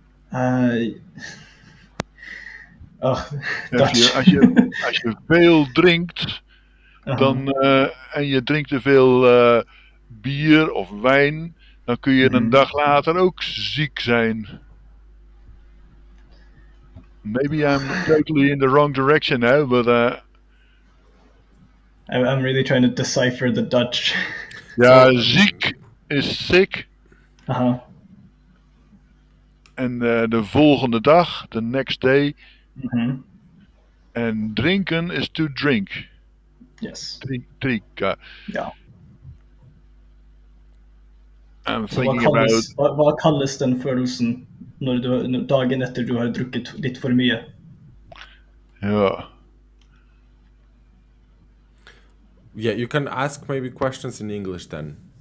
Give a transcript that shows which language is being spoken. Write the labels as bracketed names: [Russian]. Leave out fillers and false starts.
[Dutch] Als je veel drinkt, dan, en je drinkt te veel bier of wijn, dan kun je een dag later ook ziek zijn. [English] Maybe I'm totally in the wrong direction now, but I'm really trying to decipher the Dutch. Yeah, ziek is sick. And the [Dutch] volgende dag, [English] the next day. And drinken is to drink. Yes. Drink. Yeah. I'm thinking about. [Norwegian] What kalles den følelsen? Når dagen etter du har drukket litt for mye. [English] Yeah, you can ask maybe questions in English then.